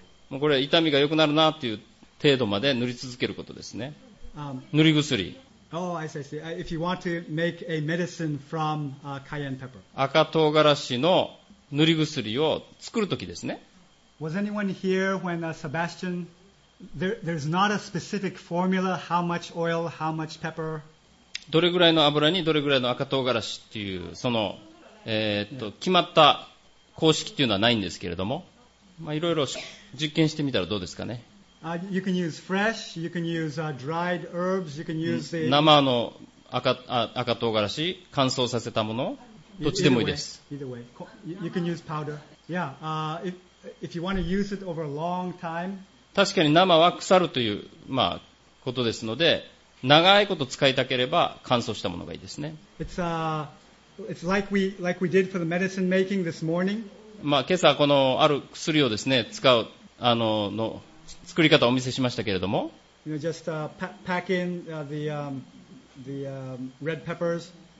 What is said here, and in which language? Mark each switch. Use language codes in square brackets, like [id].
[ja] もうこれ痛みが良くなるなっていう程度まで塗り続けることですね。塗り薬。 [en] Oh, I see. If you want to make a medicine from cayenne pepper. [ja] 赤唐辛子の塗り薬を作るときですね。 [en] Was anyone here when Sebastian? There's not a specific formula how much oil, how much pepper. [ja] どれぐらいの油にどれぐらいの赤唐辛子っていうその決まった公式っていうのはないんですけれども、まあいろいろ実験してみたらどうですかね。 [en] You can use fresh. You can use dried herbs. You can use the [ja] 生の赤唐辛子乾燥させたもの。どっちでもいいです。 [en] Either way. You can use powder. Yeah, if you want to use it over a long time. [ja] 確かに生は腐るという、まあ、ことですので、長いこと使いたければ乾燥したものがいいですね。 [en] It's like we did for the medicine making this morning. [ja] まあ、今朝このある薬をですね、使う、あの、の、作り方をお見せしましたけれども。 [en] You know, just pack in the red peppers.